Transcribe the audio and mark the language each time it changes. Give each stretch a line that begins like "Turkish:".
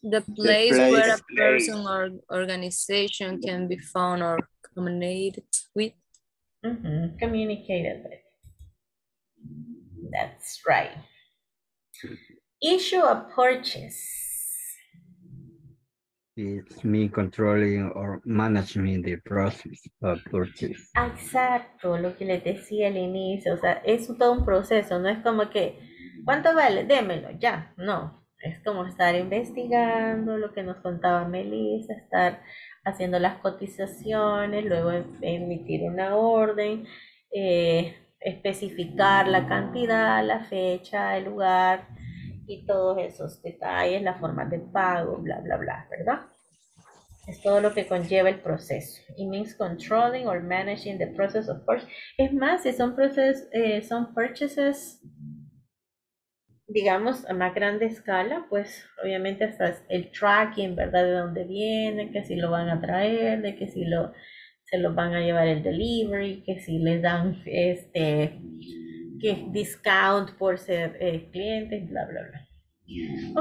English: The place where a person or organization can be found or communicated with. Communicated with. That's right. Issue a purchase. It's me controlling or managing the process of purchase.
Spanish: Exacto, lo que les decía al inicio, o sea, es todo un proceso, no es como que, ¿cuánto vale? Démelo, ya, no. Es como estar investigando lo que nos contaba Melissa, estar haciendo las cotizaciones, luego emitir una orden, especificar la cantidad, la fecha, el lugar, y todos esos detalles, la forma de pago, bla, bla, bla, ¿verdad? Es todo lo que conlleva el proceso.
English: It means controlling or managing the process of purchase.
Spanish: Es más, si son son purchases, digamos, a más grande escala, pues obviamente hasta el tracking, ¿verdad? De dónde viene, que si lo van a traer, de que si lo, se lo van a llevar el delivery, que si les dan este que discount por ser cliente, bla, bla, bla.